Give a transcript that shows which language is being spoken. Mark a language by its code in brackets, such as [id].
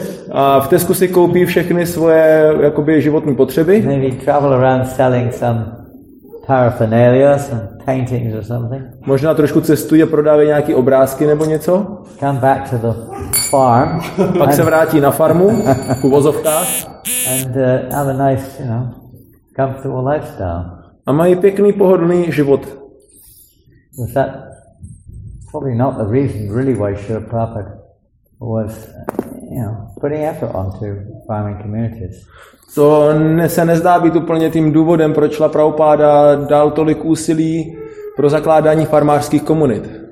[cs] A v Tesku si koupí všechny svoje jakoby životní potřeby. [en] Maybe travel around selling some paraphernalia, some paintings or something. [cs] Možná trošku cestuje, prodávají nějaké obrázky nebo něco. [en] Come back to the farm. [cs] Pak se vrátí na farmu, u vozovka. [en] And have a nice, you know, comfortable lifestyle. [cs] A mají pěkný, pohodlný život. [en] Was that probably not the reason really why Srila Prabhupada was, you know, putting effort onto farming communities. [cs] To se nezdá být úplně tím důvodem, proč Srila Prabhupada dal tolik úsilí pro zakládání farmářských komunit.